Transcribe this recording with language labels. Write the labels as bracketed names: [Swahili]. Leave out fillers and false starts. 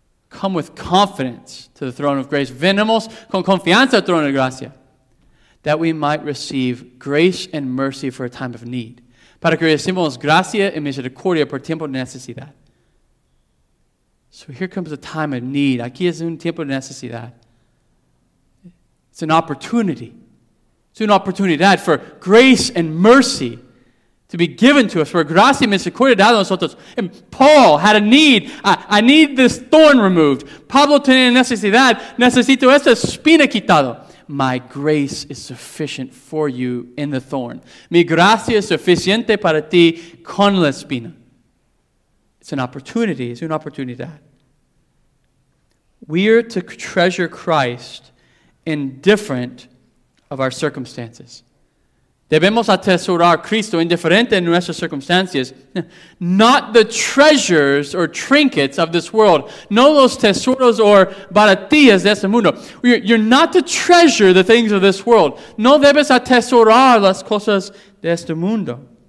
[English] Come with confidence to the throne of grace. [Spanish] Venimos con confianza al trono de gracia. [English] That we might receive grace and mercy for a time of need. [Spanish] Para que recibamos gracia y misericordia por tiempo de necesidad. [English] So here comes a time of need. [Spanish] Aquí es un tiempo de necesidad. [English] It's an opportunity. It's an oportunidad for grace and mercy to be given to us. [Spanish] For gracia y misericordia dada a nosotros. [English] And Paul had a need. I need this thorn removed. [Spanish] Pablo tenía necesidad. Necesito esta espina quitada. [English] My grace is sufficient for you in the thorn. [Spanish] Mi gracia es suficiente para ti con la espina. [English] It's an opportunity. It's an oportunidad. We are to treasure Christ indifferent of our circumstances. [Spanish] Debemos atesorar Cristo indiferente en nuestras circunstancias. [English] Not the treasures or trinkets of this world. [Spanish] No los tesoros o baratillas de este mundo. [English] You're not to treasure the things of this world. [Spanish] No debes atesorar las cosas de este mundo.